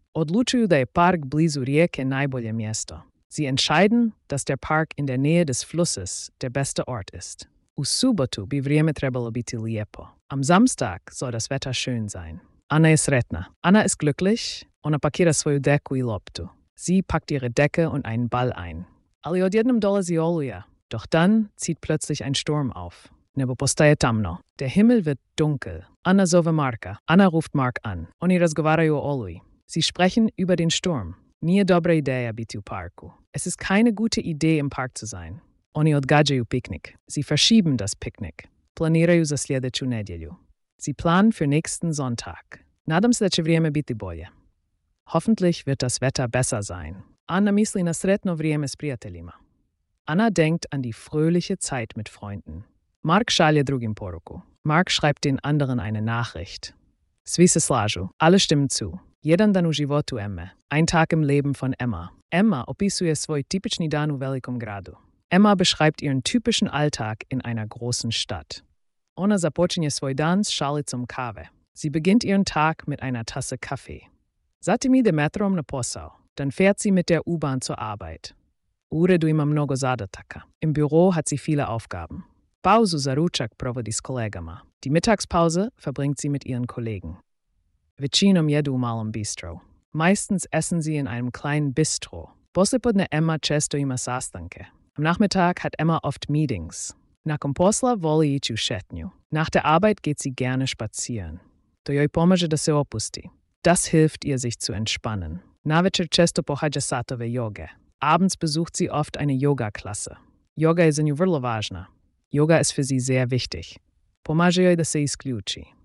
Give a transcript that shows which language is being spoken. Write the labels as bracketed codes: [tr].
[hr] Odlučuju da je park blizu rijeke najbolje mjesto. [de] Sie entscheiden, dass der Park in der Nähe des Flusses der beste Ort ist. [hr] U subotu bi vrijeme trebalo biti lijepo. [de] Am Samstag soll das Wetter schön sein. [hr] Anna je sretna. [de] Anna ist glücklich. [hr] Ona pakira svoju deku i loptu. [de] Sie packt ihre Decke und einen Ball ein. [hr] Ali odjednom dolazi oluja. [de] Doch dann zieht plötzlich ein Sturm auf. [hr] Nebo postaje tamno. [de] Der Himmel wird dunkel. [hr] Anna zove Marka. [de] Anna ruft Mark an. Oni razgovaraju o oluji. Sie sprechen über den Sturm. [hr] Nije dobra ideja biti u parku. [de] Es ist keine gute Idee, im Park zu sein. [hr] Oni odgađaju piknik. [de] Sie verschieben das Picknick. [hr] Planiraju za sljedeću nedjelju. [de] Sie planen für nächsten Sonntag. [hr] Nadam se da će vrijeme biti bolje. [de] Hoffentlich wird das Wetter besser sein. [hr] Anna misli na sretno vrijeme s prijateljima. [de] Anna denkt an die fröhliche Zeit mit Freunden. [hr] Mark šalje drugim poruku. [de] Mark schreibt den anderen eine Nachricht. [hr] Svi se slažu. [de] Alle stimmen zu. [hr] Jedan dan u životu Emme. [de] Ein Tag im Leben von Emma. [hr] Emma opisuje svoj tipični dan u velikom gradu. [de] Emma beschreibt ihren typischen Alltag in einer großen Stadt. [hr] Ona započinje svoj dan s šalicom kave. [de] Sie beginnt ihren Tag mit einer Tasse Kaffee. [hr] Zatim ide metrom na posao. [de] Dann fährt sie mit der U-Bahn zur Arbeit. [hr] U uredu ima mnogo zadataka. [de] Im Büro hat sie viele Aufgaben. [hr] Pauzu za ručak provodi s kolegama. [de] Die Mittagspause verbringt sie mit ihren Kollegen. [hr] Većinom jedu u malom bistro. [de] Meistens essen sie in einem kleinen Bistro. [hr] Poslijepodne Emma često ima sastanke. [de] Am Nachmittag hat Emma oft Meetings. [hr] Nakon posla voli ići u šetnju. [de] Nach der Arbeit geht sie gerne spazieren. [hr] To joj pomaže da se opusti. [de] Das hilft ihr, sich zu entspannen. [hr] Navečer često pohađa satove joge. [de] Abends besucht sie oft eine Yoga-Klasse. [hr] Yoga je za nju vrlo važna. [de] Yoga ist für sie sehr wichtig. [hr] Pomaže joj da se isključi.